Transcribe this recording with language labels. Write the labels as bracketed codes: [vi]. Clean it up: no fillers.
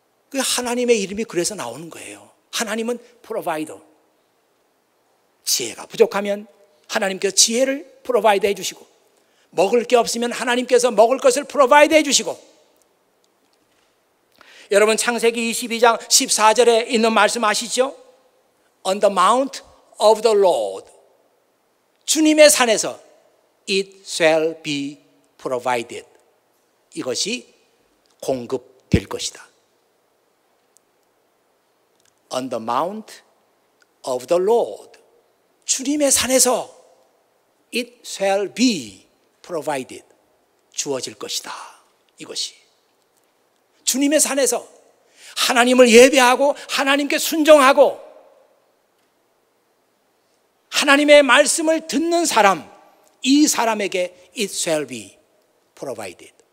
[ko] 그 하나님의 이름이 그래서 나오는 거예요. 하나님은 프로바이더. 지혜가 부족하면 하나님께서 지혜를 프로바이드 해주시고 먹을 게 없으면 하나님께서 먹을 것을 프로바이드 해주시고 여러분 창세기 22장 14절에 있는 말씀 아시죠? [en] On the mount of the Lord, [ko] 주님의 산에서 [en] it shall be provided. [ko] 이것이 공급될 것이다. [en] On the mount of the Lord, [ko] 주님의 산에서 [en] it shall be provided. [ko] 주어질 것이다. 이것이 주님의 산에서 하나님을 예배하고 하나님께 순종하고 하나님의 말씀을 듣는 사람, 이 사람에게 [en] it shall be provided.